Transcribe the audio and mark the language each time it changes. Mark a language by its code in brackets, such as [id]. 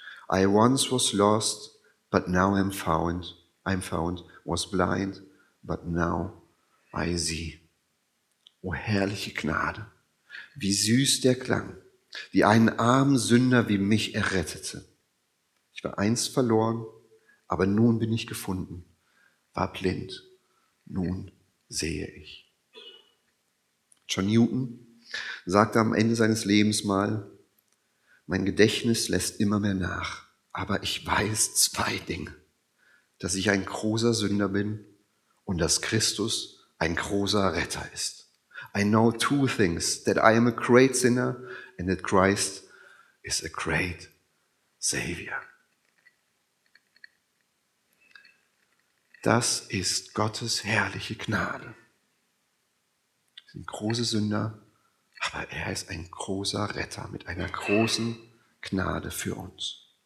[en] I once was lost, but now I'm found. I'm found, was blind, but now I see. [de] O herrliche Gnade, wie süß der Klang, wie einen armen Sünder wie mich errettete. Ich war einst verloren, aber nun bin ich gefunden, war blind, nun sehe ich. John Newton sagte am Ende seines Lebens mal, mein Gedächtnis lässt immer mehr nach, aber ich weiß zwei Dinge, dass ich ein großer Sünder bin und dass Christus ein großer Retter ist. [en] I know two things, that I am a great sinner and that Christ is a great Savior. [de] Das ist Gottes herrliche Gnade. Wir sind große Sünder, aber er ist ein großer Retter mit einer großen Gnade für uns.